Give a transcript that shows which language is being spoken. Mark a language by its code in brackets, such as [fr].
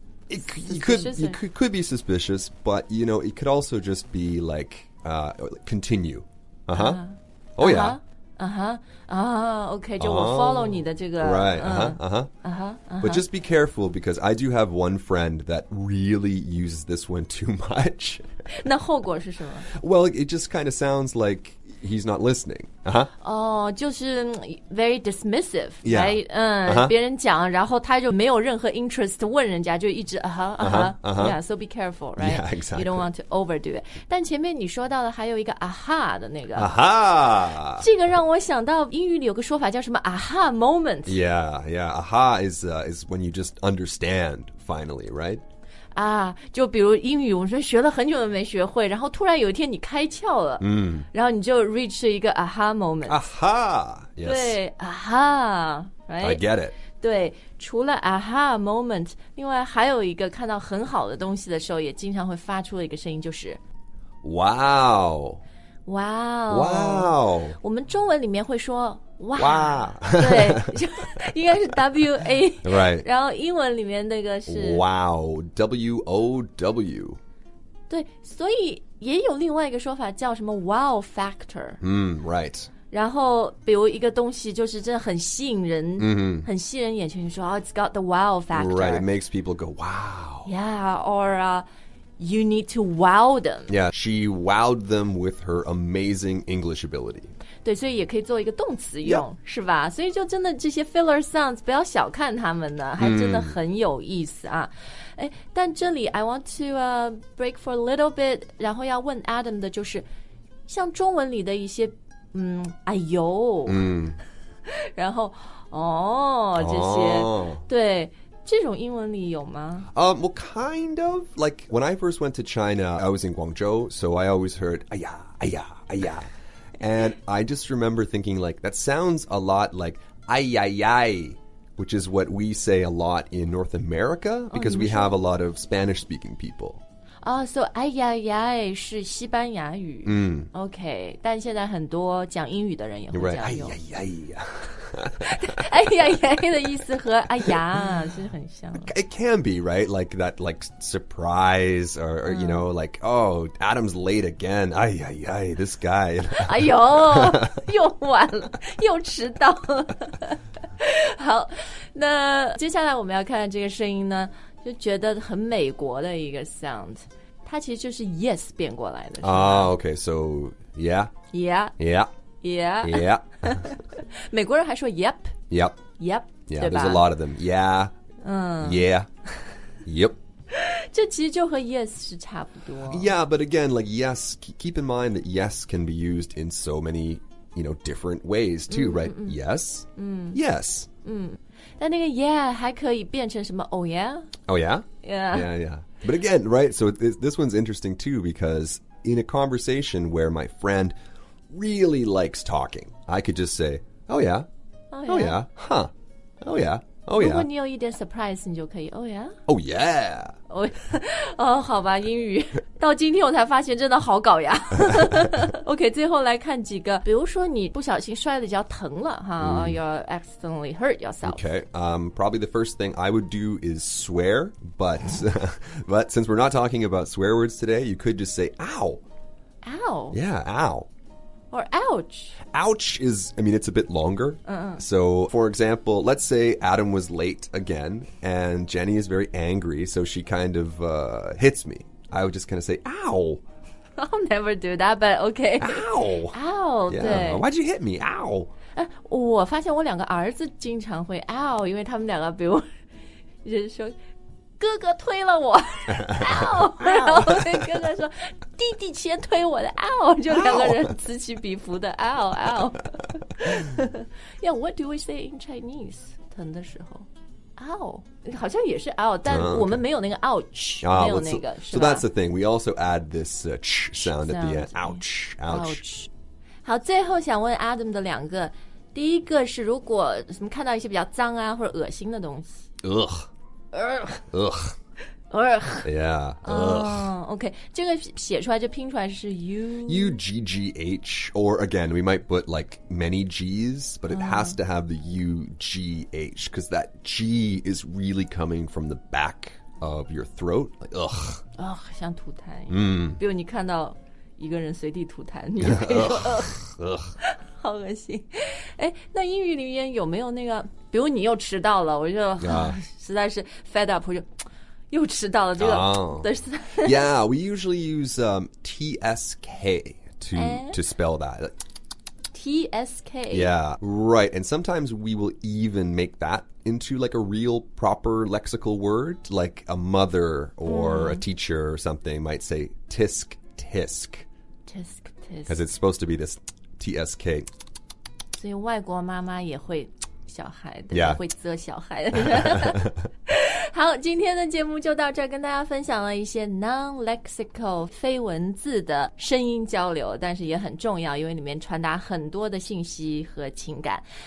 [en] It could be suspicious, but you know, it could also just be like, continue. Oh yeah. [zh] Okay, 就我 follow 你的这个。 [en] Right, But just be careful because I do have one friend that really uses this one too much. [zh] 那后果是什么? [en] Well, it just kind of sounds like,He's not listening. Just very dismissive. Yeah. Right? [zh] 别人讲然后他就没有任何 interest 问人家就一直 [en] Yeah, so be careful, right? Yeah, exactly. You don't want to overdo it. [zh] 但前面你说到的还有一个 aha 的那个 Aha! 这个让我想到英语里有个说法叫什么 aha moment. [en] Yeah, yeah. Aha is when you just understand finally, right? [zh] 啊，就比如英语，我说学了很久都没学会，然后突然有一天你开窍了，嗯，然后你就 reach 一个 aha moment. [en] Aha, yes. [zh] 对 ,aha, right? [en] I get it. [zh] 对，除了 aha moment, 另外还有一个看到很好的东西的时候也经常会发出的一个声音就是 wow. 哇、 wow, 哦我们中文里面会说哇、 wow, wow. 对就应该是 WA、 [en] right. [zh] 然后英文里面那个是哇、wow, WOW 对所以也有另外一个说法叫什么 wow factor、 [en] right. [zh] 然后比如一个东西就是真的很吸引人、 mm-hmm. 很吸引人眼球你说、 [en] oh, it's got the wow factor right, it makes people go wow yeah or You need to wow them. Yeah, she wowed them with her amazing English ability. [zh] 对，所以也可以做一个动词用、 [en] yeah. [zh] 是吧？所以就真的这些 filler sounds 不要小看他们呢，还真的很有意思啊。哎，但这里 [en] I want to break for a little bit, [zh] 然后要问 Adam 的就是像中文里的一些哎呦然后哦这些、 oh. 对这种英文里有吗 [en] Well, kind of. Like, when I first went to China, I was in Guangzhou, so I always heard, 哎呀哎呀哎呀 And I just remember thinking, like, that sounds a lot like, 哎呀呀 which is what we say a lot in North America, because、 oh, we have a lot of Spanish-speaking people. Oh, so, [zh] 哎呀呀 是西班牙语、OK, 但现在很多讲英语的人也会这样用。哎呀呀。哎呀呀的意思和哎呀是很像。 [en] It can be, right? Like that, like surprise or you know, like, oh, Adam's late again. 哎呀呀 this guy. [zh] 哎呦又晚了又迟到了。好那接下来我们要看这个声音呢就觉得很美国的一个 sound。它其实就是 yes 变过来的。 [en] Okay, so yeah. Yeah. Yeah. Yeah. Yeah. [zh] 美国人还说 yep. [en] Yep. Yep. Yeah, there's a lot of them. Yeah. Yeah. Yep. [zh] 这其实就和 yes 是差不多。 [en] Yeah, but again, like yes, keep in mind that yes can be used in so many, you know, different ways too, right? Yes. Yes. [zh] 但那个 yeah 还可以变成什么 oh yeah? [en] Oh yeah? Yeah. Yeah, yeah. But again, right, so this one's interesting too because in a conversation where my friend... really likes talking. I could just say, oh yeah, oh yeah, oh, yeah. huh, oh yeah, oh yeah. [zh] 如果你有一点 surprise, 你就可以 oh yeah? [en] Oh yeah! [zh] 好吧英语到今天我才发现真的好搞呀。OK, 最后来看几个比如说你不小心摔得比较疼了哈、 [en] You accidentally hurt yourself. Okay, probably the first thing I would do is swear, but, but since we're not talking about swear words today, you could just say, ow. Ow? Yeah, ow. Or ouch. Ouch is, I mean, it's a bit longer. So, for example, let's say Adam was late again, and Jenny is very angry, so she kind of hits me. I would just kind of say, ow. I'll never do that, but okay. Ow. Ow, yeah. Why'd you hit me? Ow. [zh] 我发现我两个儿子经常会 ow, 因为他们两个比如人说哥哥推了我 ow, 然后跟哥哥说弟弟先推我的 ow, 就两个人此起彼伏的 ow, ow. [en] Yeah, what do we say in Chinese? [zh] 疼的时候 ow, 好像也是 ow, 但我们没有那个 ouch,、 [en] okay. [zh] 没有那个、 [en] well, so that's the thing, we also add this ch sound at the end, ouch, ouch. Ouch. [zh] 好最后想问 Adam 的两个第一个是如果什么看到一些比较脏啊或者恶心的东西 ugh. Ugh. Ugh. [en] Yeah. Ugh. OK. [zh] 这个写出来就拼出来是 U. [en] U-G-G-H. Or again, we might put like many G's, but it has to have the U-G-H because that G is really coming from the back of your throat. Like, ugh. [zh] Ugh, 像吐痰。嗯。比如你看到一个人随地吐痰，你可以说 ugh. Ugh. 好恶心。哎，那英语里面有没有那个比如你又迟到了我就、实在是 fed up 我就又迟到了这个、 [en] oh. Yeah, we usually use TSK to,、to spell that TSK Yeah, right And sometimes we will even make that into like a real proper lexical word Like a mother or、a teacher or something might say TISK TISK TISK TISK Because it's supposed to be this TSK [zh] 所以外国妈妈也会小孩的、 [en] yeah. [zh] 会责小孩好，今天的节目就到这儿，跟大家分享了一些 non-lexical 非文字的声音交流，但是也很重要，因为里面传达很多的信息和情感。